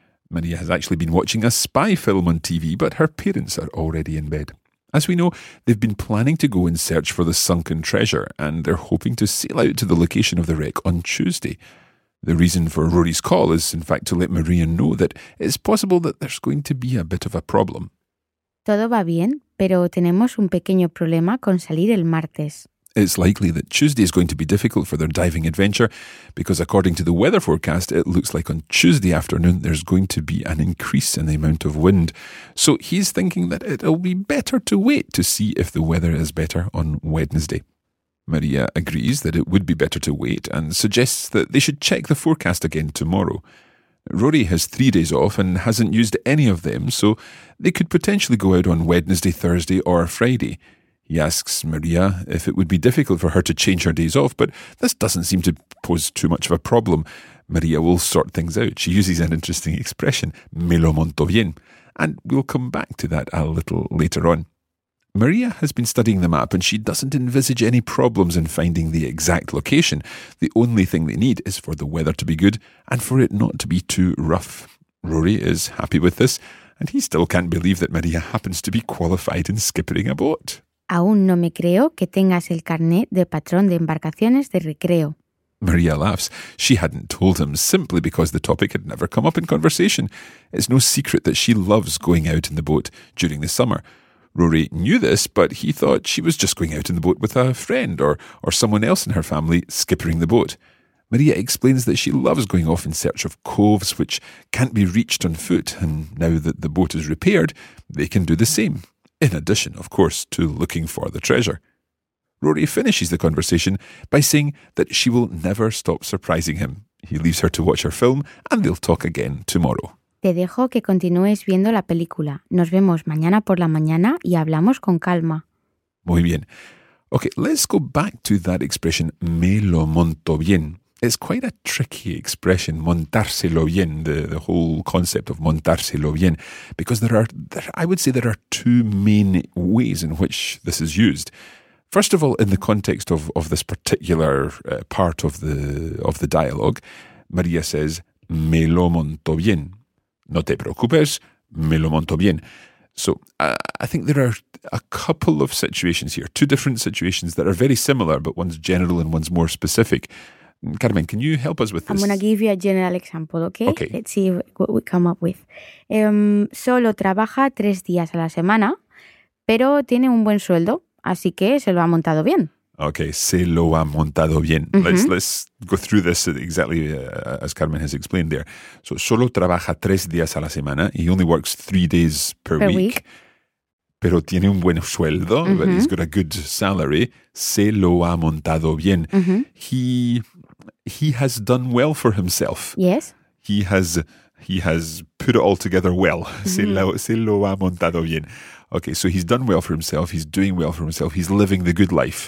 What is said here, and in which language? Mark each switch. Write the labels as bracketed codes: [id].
[en] Maria has actually been watching a spy film on TV, but her parents are already in bed. As we know, they've been planning to go in search for the sunken treasure and they're hoping to sail out to the location of the wreck on Tuesday. The reason for Rory's call is, in fact, to let Maria know that it's possible that there's going to be a bit of a problem. [es] Todo va bien, pero tenemos un pequeño problema con salir el martes. [en] It's likely that Tuesday is going to be difficult for their diving adventure because according to the weather forecast, it looks like on Tuesday afternoon there's going to be an increase in the amount of wind. So he's thinking that it'll be better to wait to see if the weather is better on Wednesday. Maria agrees that it would be better to wait and suggests that they should check the forecast again tomorrow. Rory has 3 days off and hasn't used any of them, so they could potentially go out on Wednesday, Thursday or Friday. He asks Maria if it would be difficult for her to change her days off, but this doesn't seem to pose too much of a problem. Maria will sort things out. She uses an interesting expression, [es] me lo monto bien, [en] and we'll come back to that a little later on. Maria has been studying the map and she doesn't envisage any problems in finding the exact location. The only thing they need is for the weather to be good and for it not to be too rough. Rory is happy with this and he still can't believe that Maria happens to be qualified in skippering a boat. [es] Aún no me creo que tengas el carnet de patrón de embarcaciones de recreo. [en] Maria laughs. She hadn't told him simply because the topic had never come up in conversation. It's no secret that she loves going out in the boat during the summer. Rory knew this, but he thought she was just going out in the boat with a friend or someone else in her family skippering the boat. Maria explains that she loves going off in search of coves which can't be reached on foot, and now that the boat is repaired, they can do the same. In addition, of course, to looking for the treasure. Rory finishes the conversation by saying that she will never stop surprising him. He leaves her to watch her film and they'll talk again tomorrow. [es] Te dejo que continúes viendo la película. Nos vemos mañana por la mañana y hablamos con calma. Muy bien. [en] Okay, let's go back to that expression, [es] me lo monto bien. [en] It's quite a tricky expression, montárselo bien, the whole concept of montárselo bien, because there are two main ways in which this is used. First of all, in the context of this particular part of the dialogue, Maria says, [es] me lo monto bien. No te preocupes, me lo monto bien. [en] So I think there are a couple of situations here, two different situations that are very similar, but one's general and one's more specific. Carmen, can you help us with this? I'm going to give you a general example, okay? Okay. Let's see what we come up with. [es] Solo trabaja 3 días a la semana, pero tiene un buen sueldo, así que se lo ha montado bien. Okay, se lo ha montado bien. Mm-hmm. [en] Let's go through this exactly as Carmen has explained there. [es] So, solo trabaja 3 días a la semana. [en] He only works 3 days per week. [es] Pero tiene un buen sueldo, mm-hmm. [en] but he's got a good salary. [es] Se lo ha montado bien. Mm-hmm. [en] He has done well for himself. Yes. He has put it all together well. Mm-hmm. [es] Se lo ha montado bien. [en] Okay, so he's done well for himself. He's doing well for himself. He's living the good life,